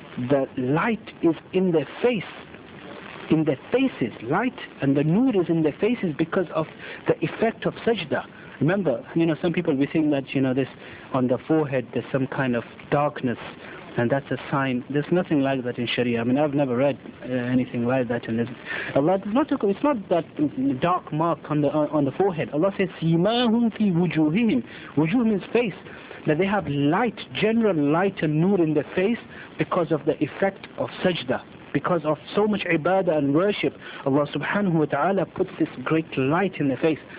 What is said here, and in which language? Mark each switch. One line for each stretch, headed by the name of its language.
English: The light is in their face. In their faces, light and the nur is in their faces because of the effect of sajda. Remember, you know, some people we think that, you know, this on the forehead there's some kind of darkness and that's a sign. There's nothing like that in Sharia. I mean, I've never read anything like that. And Allah does not talk, it's not that dark mark on the forehead. Allah says,
Arabic: سِيمَاهُمْ فِي وُجُوهِهِمْ.
English: Wujuh means face. That they have light, general light and nur in their face because of the effect of sajda. Because of so much ibadah and worship, Allah subhanahu wa ta'ala puts this great light in the face.